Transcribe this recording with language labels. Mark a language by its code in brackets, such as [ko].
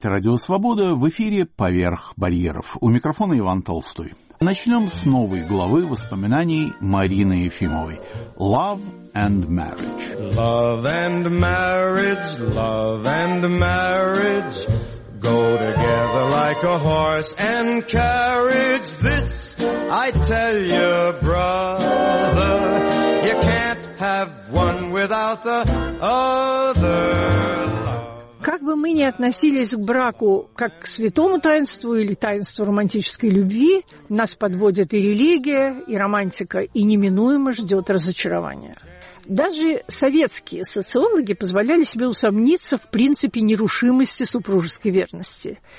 [ru] Радио «Свобода» в эфире «Поверх барьеров». У микрофона Иван Толстой. Начнем с новой главы воспоминаний Марины Ефимовой. [en] «Love and marriage». Love and marriage, love and marriage. Go together like a horse and carriage. This, I tell you, brother. You can't have one without the other. [ru] Как бы мы ни относились к браку как к святому таинству или таинству романтической любви, нас подводит и религия, и романтика, и неминуемо ждет разочарование. Даже советские социологи позволяли себе усомниться в принципе нерушимости супружеской верности.